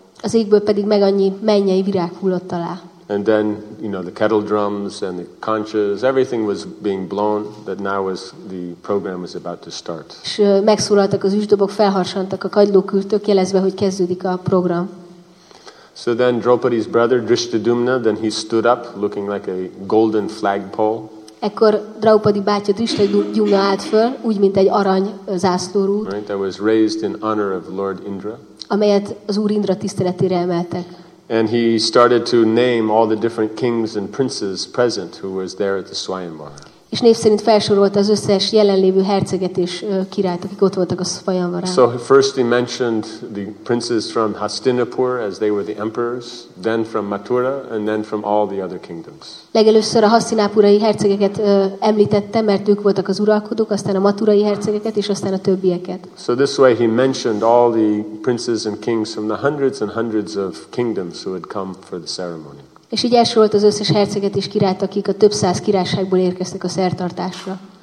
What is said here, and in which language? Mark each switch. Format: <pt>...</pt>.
<hu>Az égből pedig meg annyi mennyei virág hullott alá.</hu> <en>And then, the kettle drums and the conches, everything was being blown. That now was the program was about to start.</en> <hu>És megszólaltak az üsdobok, felharsantak a kagylókürtök, jelezve, hogy kezdődik a program.</hu> <en>So then Draupadi's brother Drishtadyumna, then he stood up looking like a golden flagpole.</en> <hu>Ekkor Draupadi bátya Drishtadyumna állt föl, úgy mint egy arany zászlórút.</hu> <en>Right, that was raised in honor of Lord Indra.</en> <hu>Amelyet az Úr Indra tiszteletére emeltek.</hu> <en>And he started to name all the different kings and princes present who was there at the Swayamvara.</en> <hu>És név szerint felsorolt az összes jelenlévő herceget és királyt, akik ott voltak a Svayamvarán.</hu> <en>So first he mentioned the princes from Hastinapur as they were the emperors, then from Mathura, and then from all the other kingdoms.</en> <hu>Legelőször a hasztinápurai hercegeket említette, mert ők voltak az uralkodók, aztán a maturai hercegeket, és aztán a többieket.</hu> <en>So this way he mentioned all the princes and kings from the hundreds and hundreds of kingdoms who had come for the ceremony.</en> <hu>És így elsorolt az összes herceget és királyt, akik a több száz királyságból érkeztek a szertartásra.</hu>